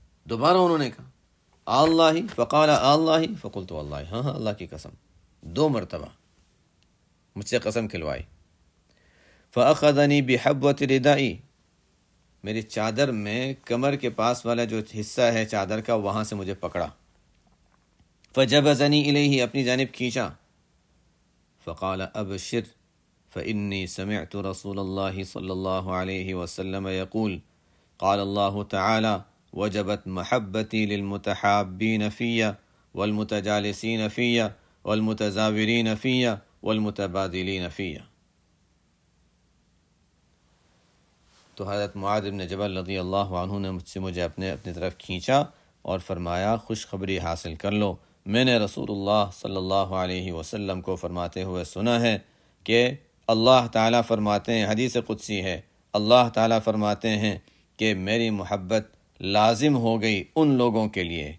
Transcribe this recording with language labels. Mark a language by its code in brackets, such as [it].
[ur] دوبارہ انہوں نے کہا اللہ, [ar] فقال اللہ, فقلت اللہ, [ur] ہاں ہاں اللہ کی قسم. دو مرتبہ مجھ سے قسم کھلوائی. [ar] فأخذني بحبوة ردائي, [ur] میری چادر میں کمر کے پاس والا جو حصہ ہے چادر کا وہاں سے مجھے پکڑا. [ar] فجبزني إليه, [ur] اپنی جانب کھینچا. [ar] فقال ابشر فإني سمعت رسول الله صلى الله عليه وسلم يقول قال الله تعالى وجبت محبتي للمتحابين فيا والمتجالسين فيا والمتزاورين فيا والمتبادلين فيا. [ur] تو حضرت معاذ بن جبل رضی اللہ عنہ نے مجھ سے مجھے اپنی طرف کھینچا اور فرمایا خوشخبری حاصل کر لو, میں نے رسول اللہ صلی اللہ علیہ وسلم کو فرماتے ہوئے سنا ہے کہ اللہ تعالیٰ فرماتے ہیں, حدیث قدسی ہے, اللہ تعالیٰ فرماتے ہیں کہ میری محبت لازم ہو گئی ان لوگوں کے لیے.